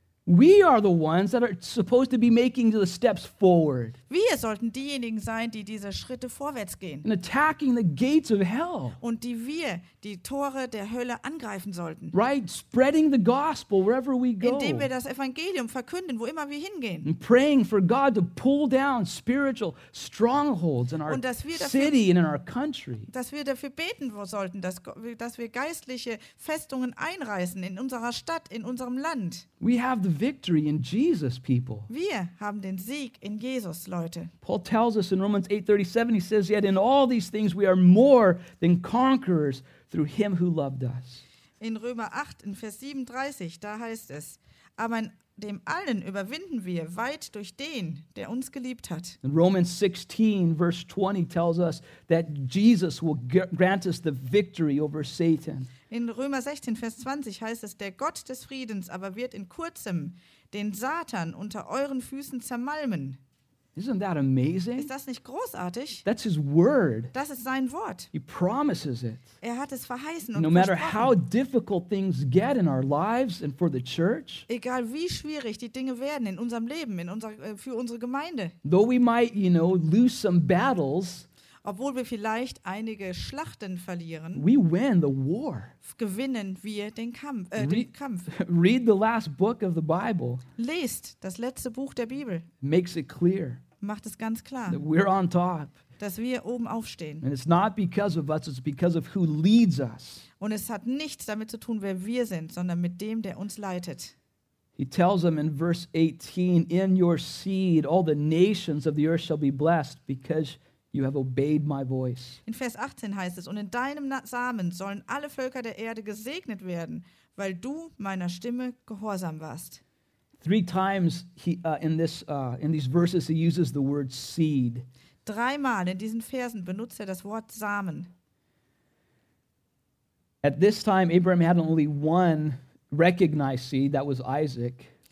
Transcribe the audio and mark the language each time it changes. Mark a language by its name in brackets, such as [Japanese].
[English] We are the ones that are supposed to be making the steps forward. [German] Wir sollten diejenigen sein, die diese Schritte vorwärts gehen. [English] And attacking the gates of hell. [German] Und die wir die Tore der Hölle angreifen sollten. [English] Right, spreading the gospel wherever we go. [German] Indem wir das Evangelium verkünden, wo immer wir hingehen. [English] And praying for God to pull down spiritual strongholds in our city and in our country. [German] Dass wir dafür beten sollten, dass wir geistliche Festungen einreißen in unserer Stadt, in unserem Land. [English] We have the victory in Jesus, people. [German] Wir haben den Sieg in Jesus. [English] Paul tells us in Romans 8:37, he says, yet in all these things we are more than conquerors through him who loved us. [German] In Römer 8, in Vers 37, da heißt es, aber in dem allen überwinden wir weit durch den, der uns geliebt hat. [English] In Romans 16, verse 20 tells us that Jesus will grant us the victory over Satan. [German] In Römer 16, Vers 20 heißt es, der Gott des Friedens aber wird in kurzem den Satan unter euren Füßen zermalmen. [English] Isn't that amazing? [German] Ist das nicht großartig? [English] That's his word. [German] Das ist sein Wort. [English] He promises it. [German] Er hat es verheißen und [English] no matter how difficult things get in our lives and for the church. [German] Egal wie schwierig die Dinge werden in unserem Leben, für unsere Gemeinde. [English] Though we might, you know, lose some battles. [German] Obwohl wir vielleicht einige Schlachten verlieren. [English] We win the war. [German] Gewinnen wir den Kampf. Den Kampf. [English] Read the last book of the Bible. [German] Lest das letzte Buch der Bibel. [English] Makes it clear. [German] macht es ganz klar, [English] that we're on top. [German] Dass wir oben aufstehen. [English] And it's not because of us, it's because of who leads us. [German] Und es hat nichts damit zu tun, wer wir sind, sondern mit dem, der uns leitet. [English] He tells them in verse 18, in your seed all the nations of the earth shall be blessed because you have obeyed my voice. [German] In Vers 18 heißt es, und in deinem Samen sollen alle Völker der Erde gesegnet werden, weil du meiner Stimme gehorsam warst. [English] Three times in these verses he uses the word seed. [German] Dreimal in diesen Versen benutzt er das Wort Samen. [English] At this time Abraham had only one recognized seed, that was Isaac.